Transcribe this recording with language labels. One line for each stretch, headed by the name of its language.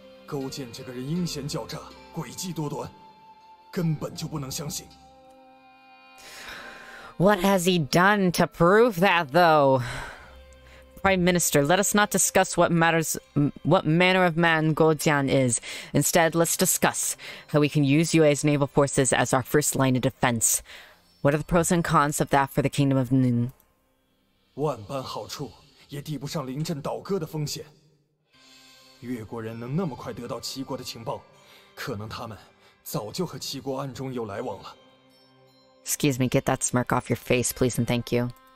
English: What has he done to prove that, though? Prime Minister, let us not discuss what manner of man Guo Jian is. Instead, let's discuss how we can use Yue's naval forces as our first line of defense. What are the pros and cons of that for the Kingdom of Ning?
Chinese: 万般好处也抵不上临阵倒戈的风险。越国人能那么快得到齐国的情报，可能他们早就和齐国暗中有来往了。
English: Excuse me, get that smirk off your face, please and thank you.